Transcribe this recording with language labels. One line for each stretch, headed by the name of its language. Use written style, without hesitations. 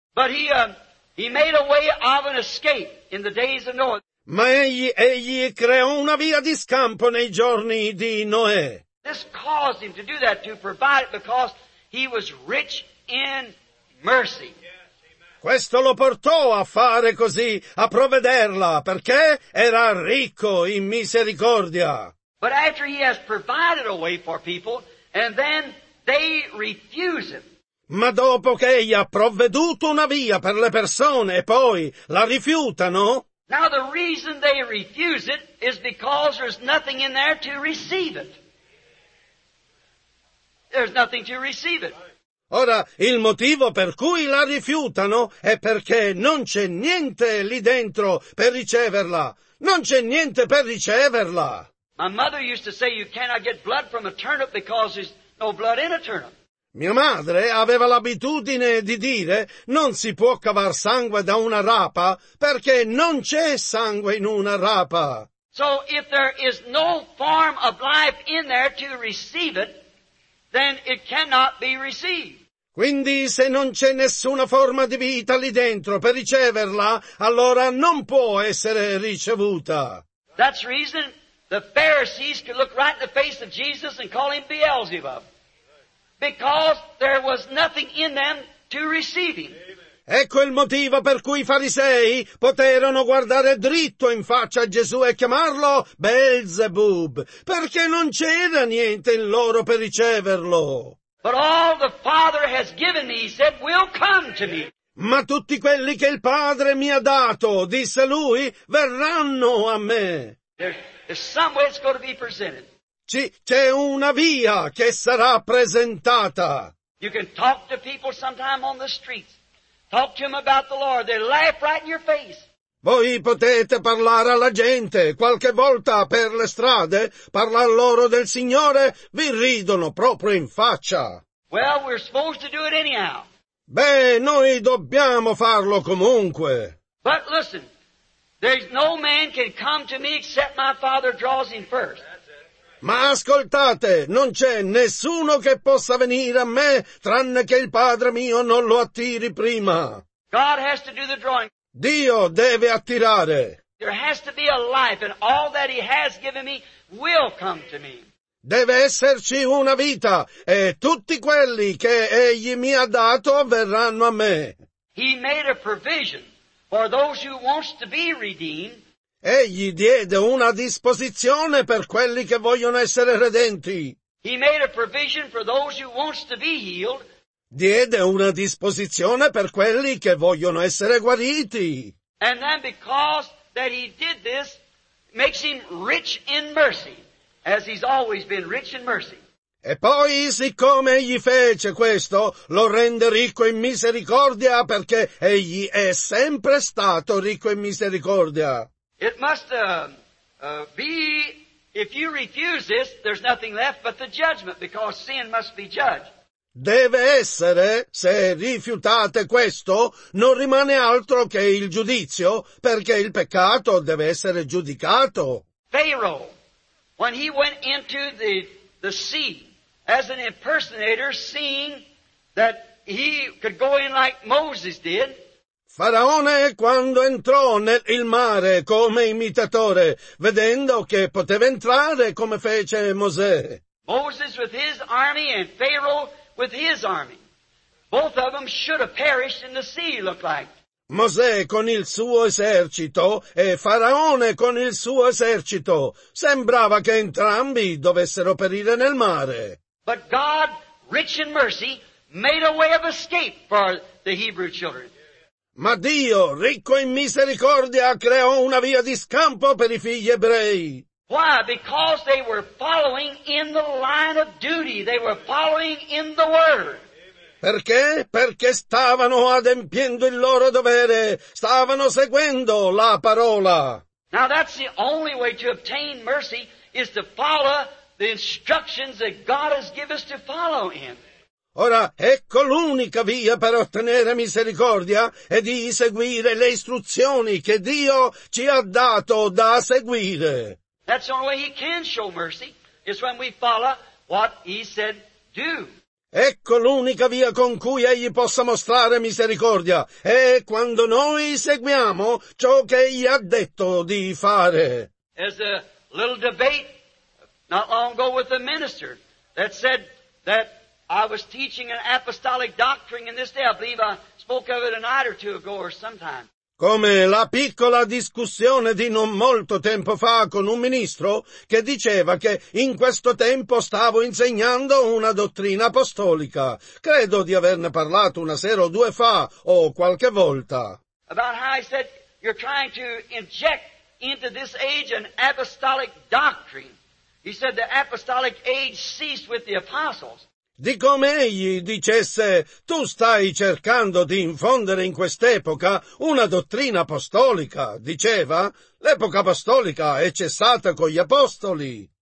English: But he made a way of an escape in the days of Noah.
Italian: Ma egli creò una via di scampo nei giorni di Noè.
English: This caused him to do that, to provide it, because he was rich in mercy.
Italian: Questo lo portò a fare così, a provvederla, perché era ricco in misericordia.
English: But after he has provided a way for people, and then they refuse him.
Italian: Ma dopo che egli ha provveduto una via per le persone e poi la rifiutano?
English: Now the reason they refuse it is because there's nothing in there to receive it. There's nothing to receive it.
Italian: Ora, il motivo per cui la rifiutano è perché non c'è niente lì dentro per riceverla. Non c'è niente per riceverla.
English: My mother used to say you cannot get blood from a turnip because there's no blood in a turnip.
Italian: Mia madre aveva l'abitudine di dire non si può cavar sangue da una rapa perché non c'è sangue in una rapa.
English: So if there is no form of life in there to receive it, then it cannot be received.
Italian: Quindi se non c'è nessuna forma di vita lì dentro per riceverla, allora non può essere ricevuta.
English: That's the reason the Pharisees could look right in the face of Jesus and call him Beelzebub. Because there was nothing in them to receive him.
Italian: Ecco il motivo per cui i farisei poterono guardare dritto in faccia a Gesù e chiamarlo Beelzebub, perché non c'era niente in loro per riceverlo.
English: But all the Father has given me, he said, will come to me.
Italian: Ma tutti quelli che il Padre mi ha dato, disse lui, verranno a me.
English: There's some way it's going to be presented.
Italian: C'è una via che sarà presentata.
English: You can talk to people sometime on the streets. Talk to them about the Lord. They laugh right in your face.
Italian: Voi potete parlare alla gente qualche volta per le strade, parlare loro del Signore, vi ridono proprio in faccia.
English: Well, we're supposed to do it anyhow.
Italian: Beh, noi dobbiamo farlo comunque.
English: But listen, there's no man can come to me except my Father draws him first.
Italian: Ma ascoltate, non c'è nessuno che possa venire a me tranne che il Padre mio non lo attiri prima.
English: God has to do the drawing.
Italian: Dio deve attirare.
English: There has to be a life, and all that he has given me will come to me.
Italian: Deve esserci una vita, e tutti quelli che egli mi ha dato verranno a me.
English: He made a provision for those who wants to be redeemed.
Italian: Egli diede una disposizione per quelli che vogliono essere redenti.
English: He made a provision for those who wants to be healed.
Italian: Diede una disposizione per quelli che vogliono essere guariti.
English: And then because that he did this, makes him rich in mercy. As he's always been rich in mercy.
Italian: E poi, siccome egli fece questo, lo rende ricco in misericordia, perché egli è sempre stato ricco in misericordia.
English: It must be, if you refuse this, there's nothing left but the judgment, because sin must be judged.
Italian: Deve essere, se rifiutate questo, non rimane altro che il giudizio, perché il peccato deve essere giudicato.
English: Pharaoh. When he went into the sea as an impersonator, seeing that he could go in like Moses did.
Italian: Faraone, quando entrò nel il mare come imitatore, vedendo che poteva entrare come fece Mosè.
English: Moses with his army and Pharaoh with his army. Both of them should have perished in the sea, looked like.
Italian: Mosè con il suo esercito e Faraone con il suo esercito. Sembrava che entrambi dovessero perire nel mare.
English: But God, rich in mercy, made a way of escape for the Hebrew children.
Italian: Ma Dio, ricco in misericordia, creò una via di scampo per i figli ebrei.
English: Why? Because they were following in the line of duty. They were following in the word.
Italian: Perché? Perché stavano adempiendo il loro dovere, stavano seguendo la parola.
English: Now that's the only way to obtain mercy is to follow the instructions that God has given us to follow in.
Italian: Ora, ecco l'unica via per ottenere misericordia è di seguire le istruzioni che Dio ci ha dato da seguire.
English: That's the only way he can show mercy is when we follow what he said do.
Italian: Ecco l'unica via con cui egli possa mostrare misericordia, è quando noi seguiamo ciò che egli ha detto di fare.
English: There's a little debate not long ago with a minister that said that I was teaching an apostolic doctrine in this day. I believe I spoke of it a night or two ago or sometime.
Italian: Come la piccola discussione di non molto tempo fa con un ministro che diceva che in questo tempo stavo insegnando una dottrina apostolica. Credo di averne parlato una sera o due fa, o qualche volta.
English: About how I said you're trying to inject into this age an apostolic doctrine. He said the apostolic age ceased with the apostles.
Italian: Di come egli dicesse, tu stai cercando di infondere in quest'epoca una dottrina apostolica. Diceva, l'epoca apostolica è cessata con gli apostoli.